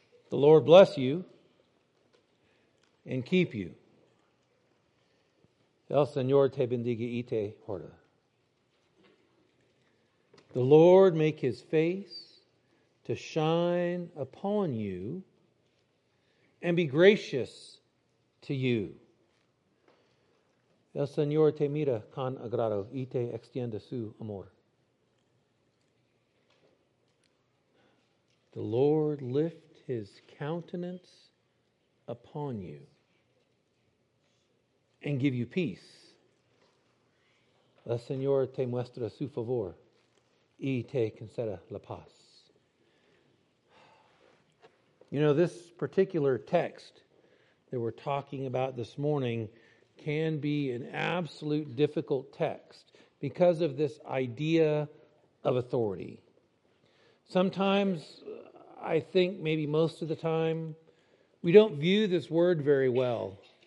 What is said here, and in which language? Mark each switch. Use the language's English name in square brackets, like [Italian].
[English] The Lord bless you and keep you. [Spanish] El Señor te bendiga y te guarde. [English] The Lord make His face to shine upon you and be gracious to you. [Spanish] El Señor te mira con agrado y te extiende su amor. [English] The Lord lift His countenance upon you and give you peace. [Spanish] El Señor te muestra su favor y te concede la paz. [English] You know, this particular text that we're talking about this morning can be an absolute difficult text because of this idea of authority. Sometimes, I think maybe most of the time, we don't view this word very well.